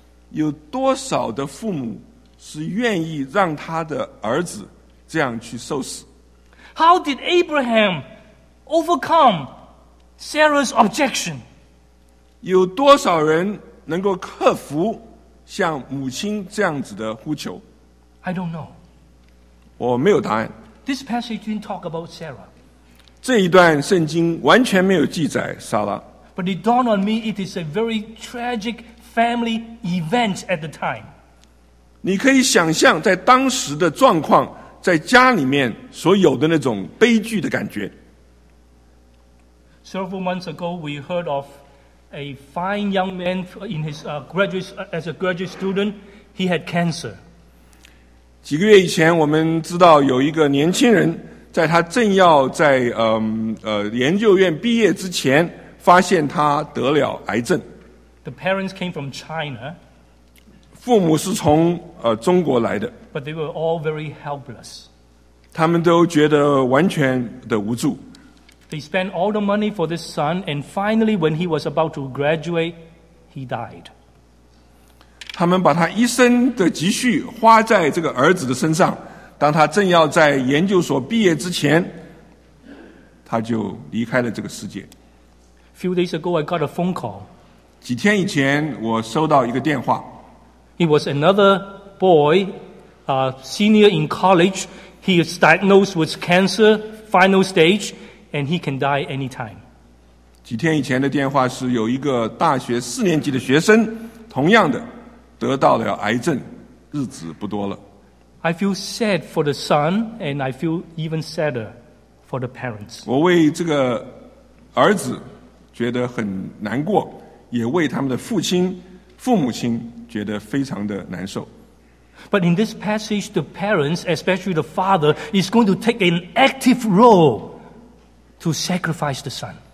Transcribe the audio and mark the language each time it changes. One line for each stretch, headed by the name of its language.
Chinese: 有多少的父母是愿意让他的儿子这样去受死？
English: How did Abraham overcome Sarah's objection?
Chinese: 有多少人能够克服像母亲这样子的呼求？
English: I don't know.
Chinese: 我没有答案。
English: This passage didn't talk about Sarah.
Chinese: 这一段圣经完全没有记载撒拉。
English: But it dawned on me, it is a very tragic family event at the time.
Chinese: 你可以想象在当时的状况，在家里面所有的那种悲剧的感觉。
English: Several months ago, we heard of a fine young man in his as a graduate student. He had cancer.
Chinese: 几个月以前，我们知道有一个年轻人。在他正要在研究院毕业之前，发现他得了癌症。
English: The parents came from China.
Chinese: 父母是从中国来的。
English: But they were all very helpless.
Chinese: 他们都觉得完全的无助。
English: They spent all the money for this son, and finally, when he was about to graduate, he died.
Chinese: 他们把他一生的积蓄花在这个儿子的身上。当他正要在研究所毕业之前，他就离开了这个世界。
English: Few days ago, I got a phone call.
Chinese: 几天以前，我收到一个电话。
English: It was another boy, senior in college. He is diagnosed with cancer, final stage, and he can die anytime.
Chinese: 几天以前的电话是有一个大学四年级的学生，同样的得到了癌症，日子不多了。
English: I feel sad for the son, and I feel even sadder for the parents.
Chinese: 我为这个儿子觉得很难过，也为他们的父亲、父母亲觉得非常的难受。
English: But in this passage, the parents, especially the father, is going to take an active role to sacrifice the son.